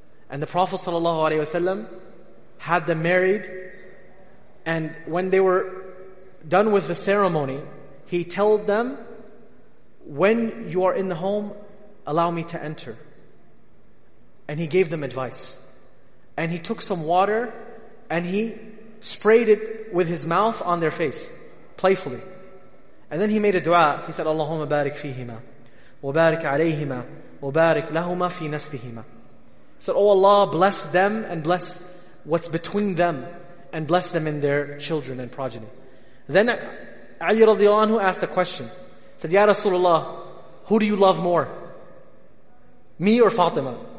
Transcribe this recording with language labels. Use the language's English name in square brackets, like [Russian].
[English] And the Prophet sallallahu alaihi wasallam had them married, and when they were done with the ceremony, he told them, when you are in the home, allow me to enter. And he gave them advice. And he took some water and he sprayed it with his mouth on their face, playfully. And then he made a dua. He said, [Arabic] Allahumma barik fihima, وَبَارِكْ عَلَيْهِمَا وَبَارِكْ لَهُمَا فِي نَسْلِهِمَا. [English] He said, oh Allah, bless them and bless what's between them and bless them in their children and progeny. Then Ali radiallahu anhu asked a question. He said, Ya Rasulullah, who do you love more? Me or Fatima?